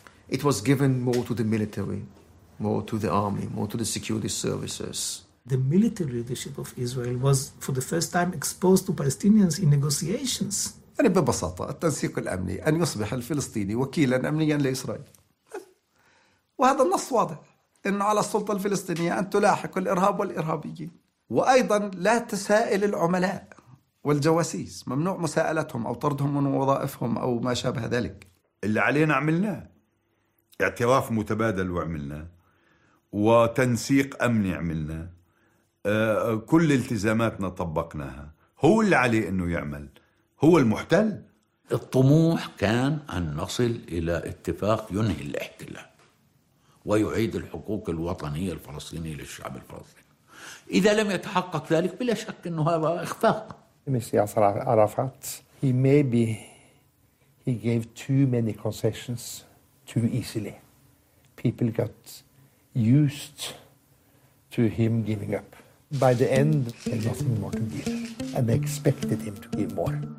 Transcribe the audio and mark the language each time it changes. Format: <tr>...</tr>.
<en>It was given more to the military, more to the army, more to the security services. The military leadership of Israel was, for the first time, exposed to Palestinians in negotiations.</en> <ar>يعني ببساطة التنسيق الأمني أن يصبح الفلسطيني وكيلاً أمنياً لإسرائيل. وهذا النص واضح إنه على السلطة الفلسطينية أن تلاحق الإرهاب والإرهابيين. وأيضاً لا تسائل العملاء والجواسيس، ممنوع مساءلتهم أو طردهم من وظائفهم أو ما شابه ذلك. اللي علينا عملناه، اعتراف متبادل وعملناه، وتنسيق أمني عملناه، كل التزاماتنا طبقناها. هو اللي عليه إنه يعمل، هو المحتل. الطموح كان أن نصل إلى اتفاق ينهي الاحتلال ويعيد الحقوق الوطنية الفلسطينية للشعب الفلسطيني. إذا لم يتحقق ذلك بلا شك إنه هذا إخفاق. مثل ياسر عرفات،</ar> <en>he gave too many concessions too easily. People got used to him giving up. By the end, there was nothing more to give, and they expected him to give more.</en>